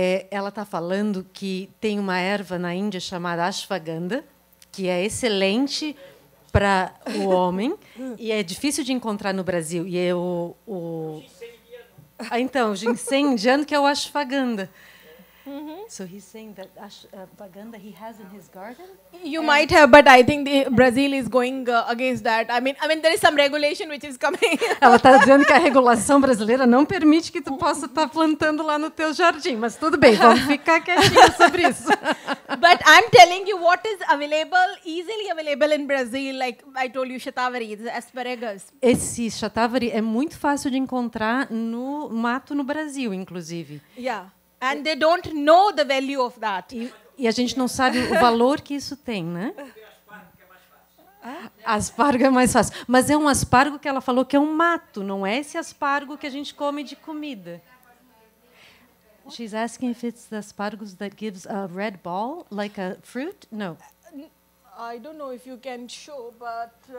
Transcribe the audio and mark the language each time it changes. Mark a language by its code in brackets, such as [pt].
[pt] Ela está falando que tem uma erva na Índia chamada ashwagandha, que é excelente para o homem e é difícil de encontrar no Brasil. E é o ginseng indiano, que é o ashwagandha. [en] So he's saying that Ashwagandha he has in his garden. You might have, but I think Brazil is going against that. I mean, there is some regulation which is coming. [pt] Ela está dizendo que a regulação brasileira não permite que tu possa estar plantando lá no teu jardim. Mas tudo bem, vamos ficar quietinho sobre isso. [en] But I'm telling you what is available, easily available in Brazil, like I told you, Shatavari, the asparagus. [pt] Esse Shatavari é muito fácil de encontrar no mato no Brasil, inclusive. [en] Yeah. And they don't know the value of that. [pt] E a gente não sabe o valor que isso tem, né? Aspargo é mais fácil. Mas é um aspargo que ela falou que é um mato, não é esse aspargo que a gente come de comida. [en] She's asking if it's the aspargus that gives a red ball, like a fruit? No. I don't know if you can show, but